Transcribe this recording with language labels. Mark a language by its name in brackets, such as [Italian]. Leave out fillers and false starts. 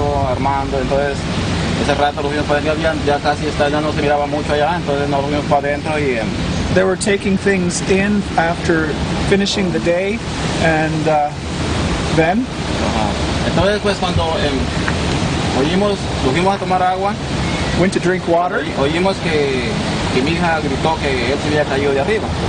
[Spanish] armando, entonces ese rato los vimos para adentro, ya casi está, ya no se miraba mucho allá, entonces nos vimos para adentro y... [English] They were taking things in after finishing the day, and then... [Spanish] Entonces pues cuando oímos, nos fuimos a tomar agua. [English] Went to drink water. [Spanish] Oímos que mi hija gritó que él se había caído de arriba.